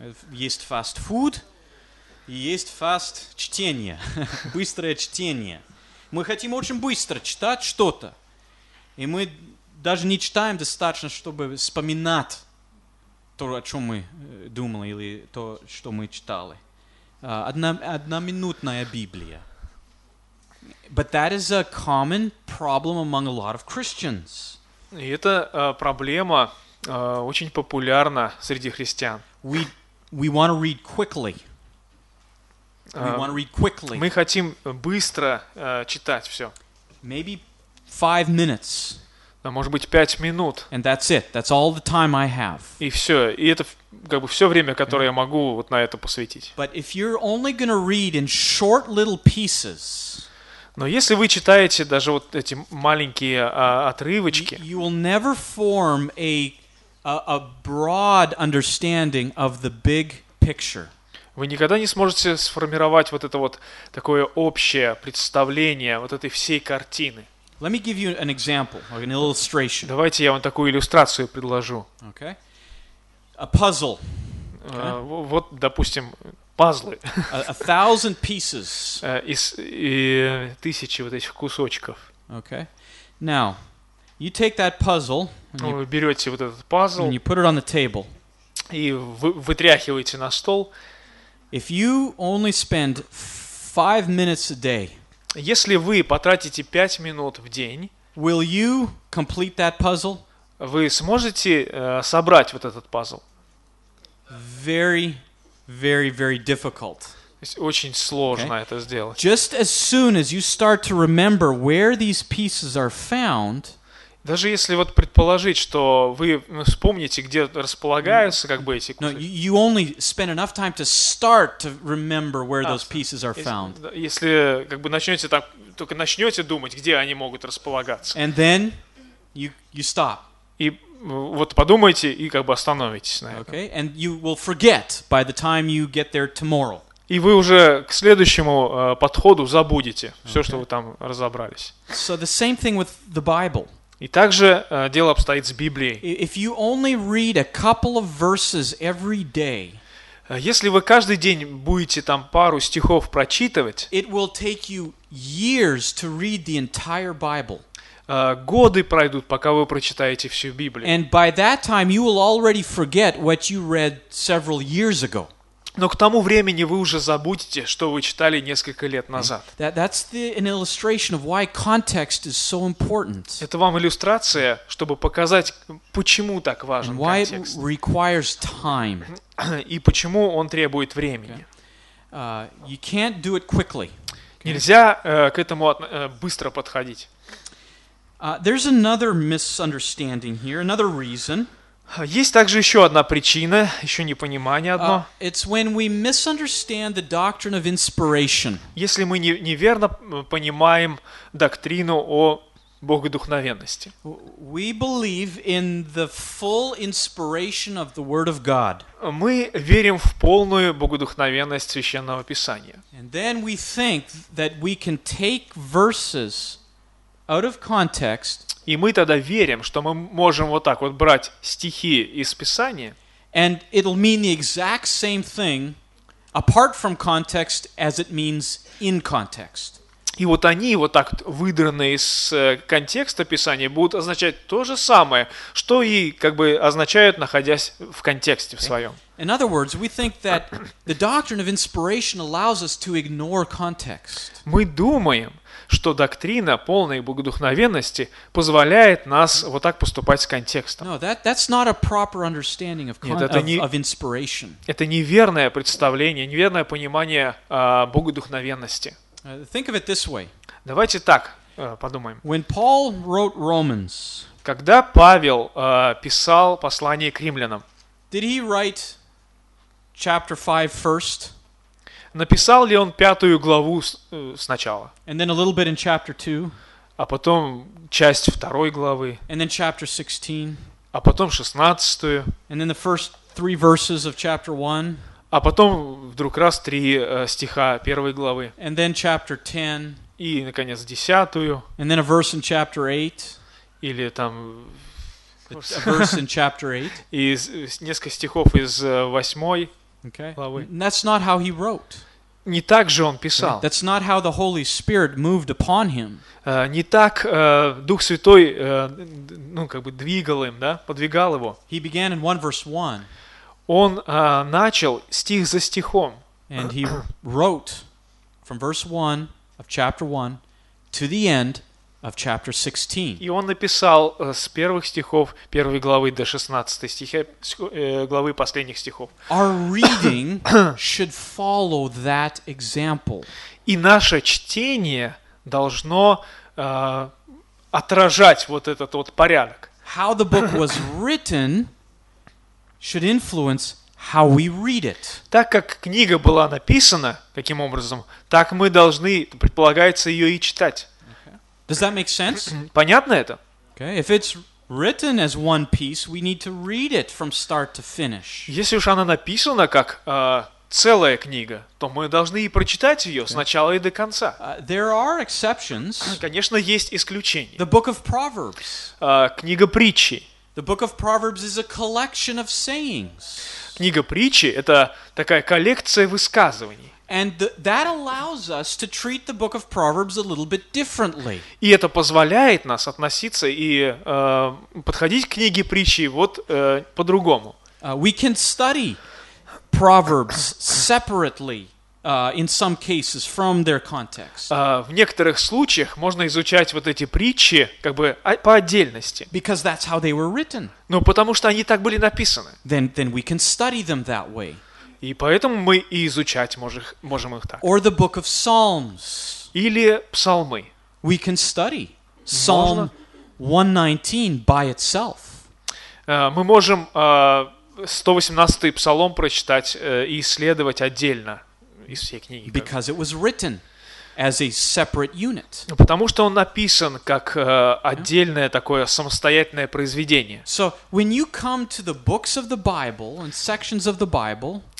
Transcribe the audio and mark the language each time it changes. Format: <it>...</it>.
<ru>Есть фастфуд, и есть фаст-чтение, быстрое чтение. Мы хотим очень быстро читать что-то. И мы даже не читаем достаточно, чтобы вспоминать то, о чем мы думали, или то, что мы читали. Одноминутная Библия.</ru> <en>But that is a common problem among a lot of Christians.</en> <ru>И эта проблема очень популярна среди христиан.</ru> <en>We want to read quickly. We want to read quickly.</en> <ru>Мы хотим быстро читать все.</ru> <en>Maybe 5 minutes.</en> <ru>Да, может быть, 5 минут.</ru> <en>And that's it. That's all the time I have.</en> <ru>И все. И это как бы все время, которое я могу вот на это посвятить.</ru> <en>But if you're only going to read in short little pieces.</en> <ru>Но если вы читаете даже вот эти маленькие отрывочки,</ru> <en>you will never form a broad understanding of the big picture.</en> <ru>Вы никогда не сможете сформировать вот это вот такое общее представление вот этой всей картины.</ru> <en>Let me give you an example, an illustration.</en> <ru>Давайте я вам такую иллюстрацию предложу.</ru> <en>Okay. A puzzle.</en> <ru>Вот, допустим, пазлы.</ru> <en>A thousand pieces.</en> <ru>И тысячи вот этих кусочков.</ru> <en>Okay. Now, you take that puzzle.</en> <ru>Вы берете вот этот пазл.</ru> <en>And you put it on the table.</en> <ru>И вытряхиваете на стол.</ru> <en>If you only spend 5 minutes a day.</en> <ru>Если вы потратите 5 минут в день.</ru> <en>Will you complete that puzzle?</en> <ru>Вы сможете собрать вот этот пазл?</ru> <en>Very, very, very difficult.</en> <ru>Очень сложно okay. это сделать.</ru> <en>Just as soon as you start to remember where these pieces are found.</en> <ru>Даже если вот предположить, что вы вспомните, где располагаются как бы эти кусочки.</ru> <en>No, you only spend enough time to start to remember where those pieces are found.</en> <ru>Если как бы начнете так, только начнете думать, где они могут располагаться.</ru> <en>And then you stop.</en> <ru>И вот подумайте и как бы остановитесь на этом.</ru> <en>Okay, and you will forget by the time you get there tomorrow.</en> <ru>И вы уже к следующему подходу забудете все, okay. что вы там разобрались.</ru> <en>So the same thing with the Bible.</en> <ru>И также дело обстоит с Библией.</ru> <en>If you only read a couple of verses every day.</en> <ru>Если вы каждый день будете там пару стихов прочитывать,</ru> <en>it will take you years to read the entire Bible.</en> <ru>Годы пройдут, пока вы прочитаете всю Библию.</ru> <en>And by that time you will already forget what you read several years ago.</en> <ru>Но к тому времени вы уже забудете, что вы читали несколько лет назад. Это вам иллюстрация, чтобы показать, почему так важен</ru> <en>and why</en> <ru>контекст.</ru> <en>It requires time.</en> <ru>И почему он требует времени.</ru> <en>Okay. You can't do it quickly. Okay.</en> <ru>Нельзя к этому быстро подходить.</ru> <en>There's another misunderstanding here, another reason.</en> <ru>Есть также еще одна причина, еще непонимание одно.</ru> <en>It's when we misunderstand the doctrine of inspiration.</en> <ru>Если мы неверно понимаем доктрину о богодухновенности.</ru> <en>We believe in the full inspiration of the Word of God.</en> <ru>Мы верим в полную богодухновенность Священного Писания.</ru> <en>And then we think that we can take verses out of context.</en> <ru>И мы тогда верим, что мы можем вот так вот брать стихи из Писания.</ru> <en>And it'll mean the exact same thing apart from context as it means in context.</en> <ru>И вот они, вот так выдранные из контекста Писания, будут означать то же самое, что и как бы означают, находясь в контексте в своем.</ru> <en>In other words, we think that the doctrine of inspiration allows us to ignore context.</en> <ru>Мы думаем, что доктрина полной богодухновенности позволяет нас вот так поступать с контекстом.</ru> <en>No, that's not a proper understanding of context.</en> <ru>Нет,</ru> <en>of inspiration.</en> <ru>Это неверное представление, неверное понимание богодухновенности.</ru> <en>Think of it this way.</en> <ru>Давайте так подумаем.</ru> <en>When Paul wrote Romans,</en> <ru>Когда Павел писал послание к римлянам?</ru> <en>Did he write chapter 5 first?</en> <ru>Написал ли он пятую главу сначала?</ru> <en>And then a little bit in chapter 2.</en> <ru>А потом часть второй главы.</ru> <en>And then chapter 16.</en> <ru>А потом шестнадцатую.</ru> <en>And then the first three verses of chapter 1.</en> <ru>А потом вдруг раз три стиха первой главы.</ru> <en>And then chapter 10.</en> <ru>И, наконец, десятую.</ru> <en>And then a verse in chapter 8.</en> <ru>Или там...</ru> <en>A verse in chapter 8.</en> <ru>И несколько стихов из восьмой главы.</ru> <en>And that's not how he wrote.</en> <ru>Не так же он писал.</ru> <en>That's not how the Holy Spirit moved upon him.</en> <ru>Не так Дух Святой, ну, как бы двигал им, да, подвигал его.</ru> <en>He began in one verse one.</en> <ru>Он начал стих за стихом.</ru> <en>And he wrote from verse one of chapter one to the end of chapter 16.</en> <ru>И он написал с первых стихов первой главы до 16 стиха главы последних стихов.</ru> <en>Our reading should follow that example.</en> <ru>И наше чтение должно отражать вот этот вот порядок.</ru> <en>How the book was written should influence how we read it.</en> <ru>Так как книга была написана таким образом, так мы должны, предполагается, ее и читать.</ru> <en>Does that make sense?</en> <ru>Понятно это?</ru> <en>Okay. If it's written as one piece, we need to read it from start to finish.</en> <ru>Если уж она написана как целая книга, то мы должны и прочитать ее сначала и до конца.</ru> <en>There are exceptions.</en> <ru>Конечно, есть исключения.</ru> <en>The book of Proverbs.</en> <ru>Книга притчи.</ru> <en>The book of Proverbs is a collection of sayings.</en> <ru>Книга притчи — это такая коллекция высказываний.</ru> <en>And that allows us to treat the book of Proverbs a little bit differently.</en> <ru>И это позволяет нас относиться и подходить к книге притчи вот по-другому.</ru> <en>We can study Proverbs separately in some cases from their context.</en> <ru>В некоторых случаях можно изучать вот эти притчи как бы по отдельности.</ru> <en>Because that's how they were written.</en> <ru>Ну, потому что они так были написаны.</ru> <en>Then we can study them that way.</en> <ru>И поэтому мы и изучать можем их так.</ru> <en>Or the book of Psalms.</en> <ru>Или псалмы.</ru> <en>We can study Psalm 119 by itself.</en> <ru>Мы можем 118-й псалом прочитать и исследовать отдельно из всей книги.</ru> <en>Because it was written as a separate unit.</en> <ru>Потому что он написан как отдельное такое самостоятельное произведение.</ru> <en>So when you come to the books of the Bible and sections of the Bible.</en>